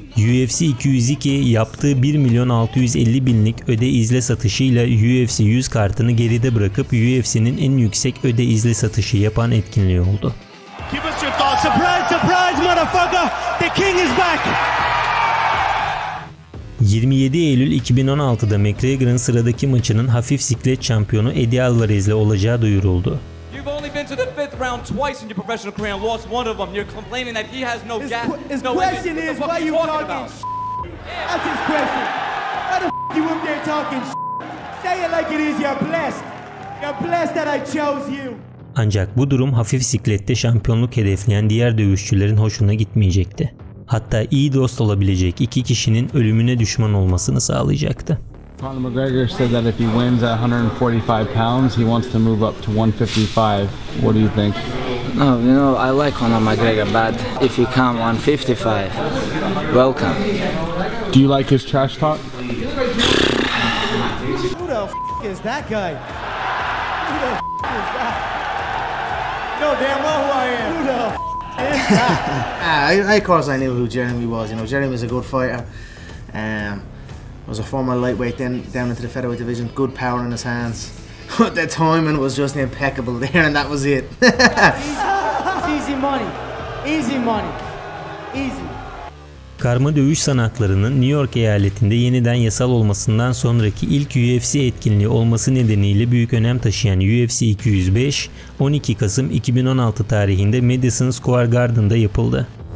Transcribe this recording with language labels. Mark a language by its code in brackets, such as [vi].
[tr] UFC 202 yaptığı 1.650.000'lik öde izle satışıyla UFC 100 kartını geride bırakıp UFC'nin en yüksek öde izle satışı yapan etkinliği oldu. [en] Surprise, surprise, motherfucker. The king is back. [tr] 27 Eylül 2016'da McGregor'ın sıradaki maçının hafif siklet şampiyonu Eddie Alvarez ile olacağı duyuruldu. [en] You've only been to the fifth round twice in your professional career and lost one of them. You're complaining that he has no gas. His question is, why are you talking s***? That's his question. Why the f*** you up there talking s***? Say it like it is, you're blessed. You're blessed that I chose you. [tr] Ancak bu durum hafif siklette şampiyonluk hedefleyen diğer dövüşçülerin hoşuna gitmeyecekti. Hatta iyi dost olabilecek iki kişinin ölümüne düşman olmasını sağlayacaktı. [en] Conor McGregor said that if he wins at 145 pounds, he wants to move up to 155. What do you think? No, you know, I like Conor McGregor, but if he come 155, welcome. Do you like his trash talk? Who the f*** is that guy? Who the f*** is that? You know damn well who I am. Who the f*** is that? I, of course, I knew who Jeremy was. You know, Jeremy's a good fighter. Was a former lightweight, then down into the featherweight division. Good power in his hands, but the timing was just impeccable there, and that was it. Easy money, easy money, easy. [tr] Karma dövüş sanatlarının New York eyaletinde yeniden yasal olmasından sonraki ilk UFC etkinliği olması nedeniyle büyük önem taşıyan UFC 205, 12 Kasım 2016 tarihinde Madison Square Garden'da yapıldı.